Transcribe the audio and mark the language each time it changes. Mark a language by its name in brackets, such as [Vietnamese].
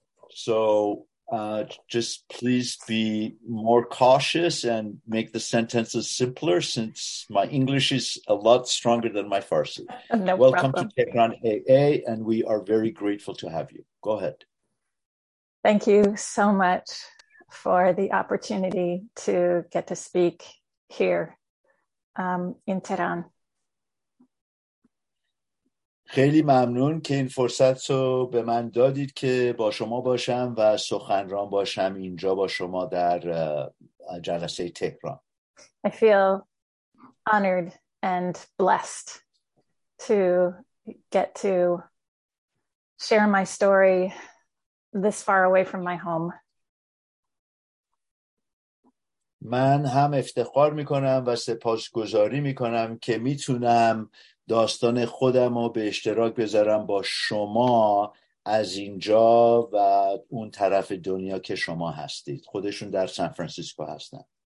[English] So just please be more cautious and make the sentences simpler, since my English is a lot stronger than my Farsi. No problem. Welcome to Tehran AA, and we are very grateful to have you. Go ahead. Thank you so much for the opportunity to get to speak here in Tehran. [Persian] خیلی ممنون که این فرصت رو به من دادید که با شما باشم و سخنران باشم اینجا با شما در جلسه تهران. [English] I feel honored and blessed to get to share my story this far away from my home. [Persian] من هم افتخار میکنم و سپاسگزاری میکنم که میتونم داستان خودم رو به اشتراک بذارم با شما از اینجا و اون طرف دنیا که شما هستید. خودشون در سان فرانسیسکو هستن.